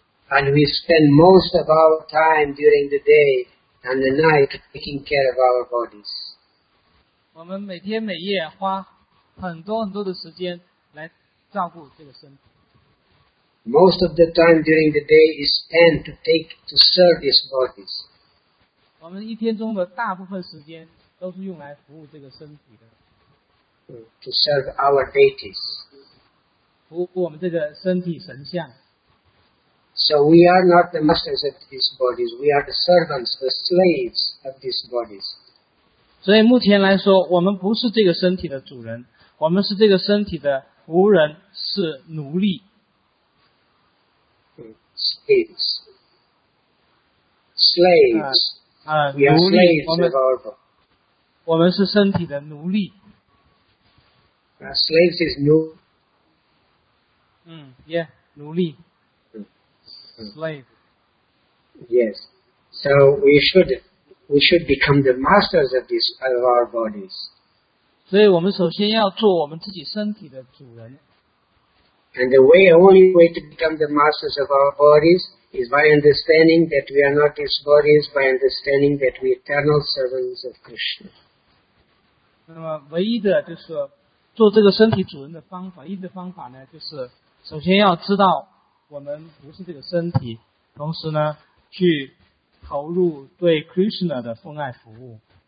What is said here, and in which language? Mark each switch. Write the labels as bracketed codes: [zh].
[en] And we spend most of our time during the day and the night taking care of our bodies. [zh] 我们每天每夜花很多很多的时间来照顾这个身体。 [en] Most of the time during the day is spent to serve these bodies. [zh] 我们一天中的大部分时间都是用来服务这个身体的。 [en] To serve our deities. [zh] 服务我们这个身体神像。 [en] So we are not the masters of these bodies, we are the servants, the slaves of these bodies. [zh] 所以目前来说，我们不是这个身体的主人，我们是这个身体的仆人，是奴隶。 [en] Slaves. Slaves. [zh] 奴隶，我们是身体的奴隶。 [en] Slaves is new. Yeah, [zh] 奴隶。 [en] Slave. Yes. So we should become the masters of our bodies. [zh] 所以我们首先要做我们自己身体的主人。 [en] And the only way to become the masters of our bodies. Is by understanding that we are not these bodies, by understanding that we are eternal servants of Krishna. [zh] 那么唯一的就是做这个身体主人的方法，一的方法呢，就是首先要知道我们不是这个身体，同时呢，去投入对 Krishna 的奉爱服务。